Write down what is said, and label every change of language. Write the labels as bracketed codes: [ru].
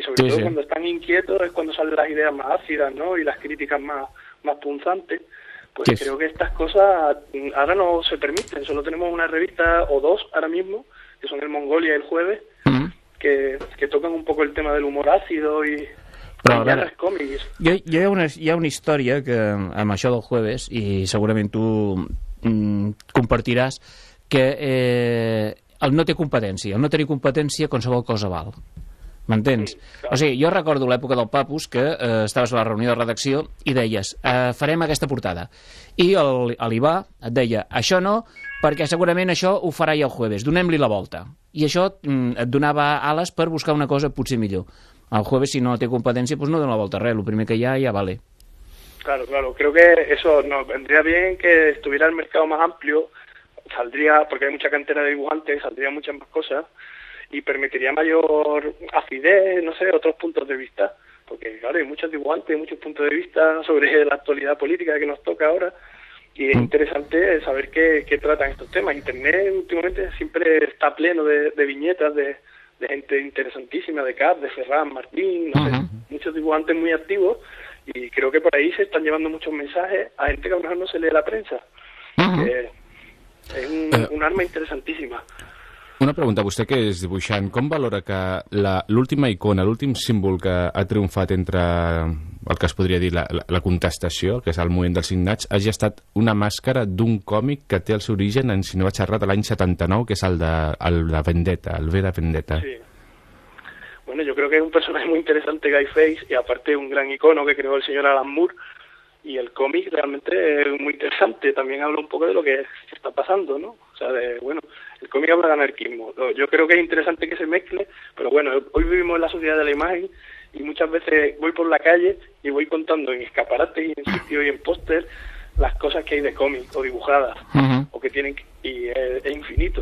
[es] Y sobre todo cuando están inquietos es cuando salen las ideas más ácidas, ¿no? Y las críticas más punzante, pues yes. Creo que estas cosas ahora no se permiten. Solo tenemos una revista o dos ahora mismo, que son el Mongolia y el Jueves, que tocan un poco el tema del humor ácido y Las cómics. [ca] Hi ha una història que amb això del Jueves, i segurament tu compartiràs, que el no té competència. El no tenir competència, qualsevol cosa val. M'entens? O sigui, jo recordo l'època del Papus que estaves a la reunió de redacció i deies, farem aquesta portada. I l'Ibà et deia, això no, perquè segurament això ho farà ja el Jueves, donem-li la volta. I això et donava ales per buscar una cosa potser millor. El Jueves, si no té competència, doncs no dona la volta a res, el primer que hi ha ja vale. [es] Claro, creo que eso nos vendría bien que estuviera el mercado más amplio, saldría, porque hay mucha cantera de dibujantes, saldría muchas más cosas, y permitiría mayor acidez, no sé, otros puntos de vista, porque claro, hay muchos dibujantes, muchos puntos de vista sobre la actualidad política que nos toca ahora, y es interesante saber qué tratan estos temas. Internet últimamente siempre está pleno de viñetas, de gente interesantísima, de Cap, de Ferran, Martín, no sé, muchos dibujantes muy activos, y creo que por ahí se están llevando muchos mensajes a gente que a lo mejor no se lee la prensa. Es un arma interesantísima. [ca] Una pregunta, vostè que és dibuixant, com valora que l'última icona, l'últim símbol que ha triomfat entre el que es podria dir la contestació, que és el moment dels signats, hagi estat una màscara d'un còmic que té el seu origen en Si no vaig errat, l'any 79, que és el de Vendetta, el V de Vendetta? Sí. [es] Bueno, yo creo que es un personaje muy interesante, Guy Fawkes, y aparte un gran icono que creó el señor Alan Moore, y el cómic realmente es muy interesante, también habla un poco de lo que está pasando, ¿no? O sea, de, bueno, el cómic habla de anarquismo. Yo creo que es interesante que se mezcle, pero bueno, hoy vivimos en la sociedad de la imagen y muchas veces voy por la calle y voy contando en escaparates y en sitio y en póster las cosas que hay de cómic o dibujadas, o que tienen, y es infinito.